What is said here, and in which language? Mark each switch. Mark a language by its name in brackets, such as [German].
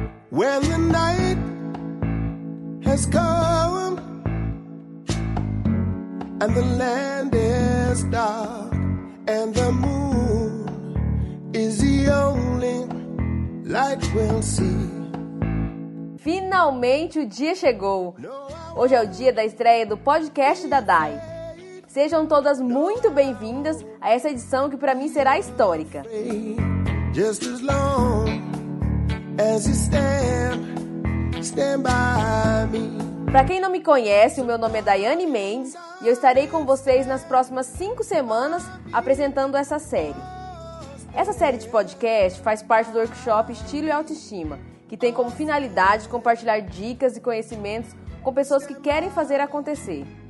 [English] When the night has come and the land is dark and the moon is the only light we'll see. [Portuguese] Finalmente o dia chegou. Hoje é o dia da estreia do podcast da Dai. Sejam todas muito bem-vindas a essa edição que para mim será histórica. [English] Just as long as you stand by me. [Portuguese] Para quem não me conhece, o meu nome é Daiane Mendes e eu estarei com vocês nas próximas 5 semanas apresentando essa série. Essa série de podcast faz parte do workshop Estilo e Autoestima, que tem como finalidade compartilhar dicas e conhecimentos com pessoas que querem fazer acontecer.